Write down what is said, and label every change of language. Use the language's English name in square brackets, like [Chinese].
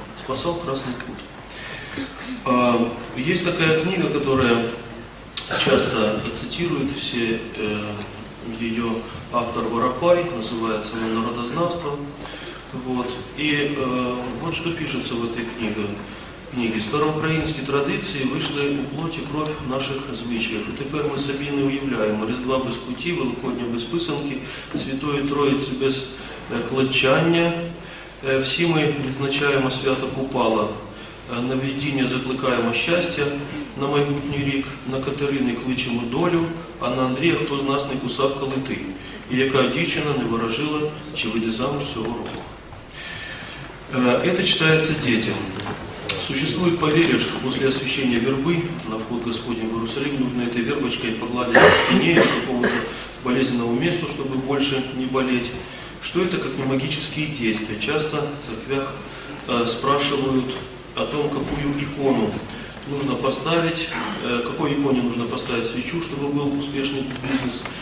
[Russian] Спасал Красный Кут. Есть такая книга, которая часто цитирует все, ее автор Воропай, называется она «Народознавство». Вот. И вот что пишется в этой книге. Книги «Староукраинские традиции вышли у плоти кровь [Ukrainian] в наших звичаях. И теперь мы собі не уявляем. Різдва без куті, Великодня без писанки, Святої Троїці без клечання. Всі ми відзначаємо свято Купала, на видіння закликаємо щастя на майбутній рік, на Катерини кличемо долю, а на Андрія хто з нас не кусав калити, і яка дівчина не ворожила, чи вийде замуж цього року». [Russian] Это читается детям. Существует поверье, что после освящения вербы на вход Господень в Иерусалим нужно этой вербочкой погладить по спине по какому-то болезненному месту, чтобы больше не болеть. Что это, как не магические действия? Часто в церквях спрашивают о том, какую икону нужно поставить, какой иконе нужно поставить свечу, чтобы был успешный бизнес.